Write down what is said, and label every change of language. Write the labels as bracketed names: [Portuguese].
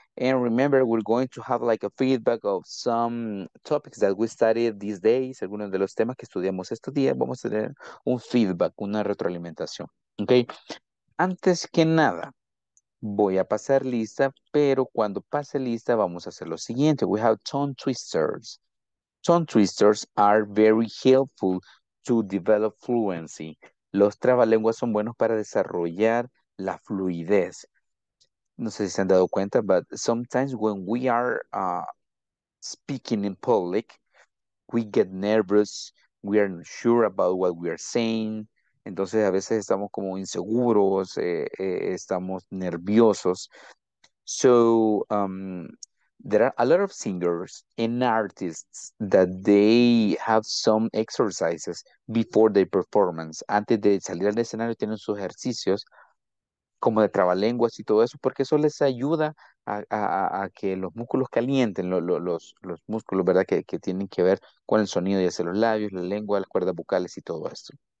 [English] And remember, we're going to have like a feedback of some topics that we studied these days. [Spanish] Algunos de los temas que estudiamos estos días, vamos a tener un feedback, una retroalimentación. Okay. Antes que nada, voy a pasar lista, pero cuando pase lista, vamos a hacer lo siguiente. [English] We have tongue twisters. Tongue twisters are very helpful to develop fluency. [Spanish] Los trabalenguas son buenos para desarrollar la fluidez. No sé si se han dado cuenta, [English] but sometimes when we are speaking in public, we get nervous, we are not sure about what we are saying. [Spanish] Entonces, a veces estamos como inseguros, estamos nerviosos. [English] So, there are a lot of singers and artists that they have some exercises before their performance. [Spanish] Antes de salir al escenario, tienen sus ejercicios como de trabalenguas y todo eso, porque eso les ayuda a que los músculos calienten, los músculos, ¿verdad? Que tienen que ver con el sonido, ya sea los labios, la lengua, las cuerdas vocales y todo esto.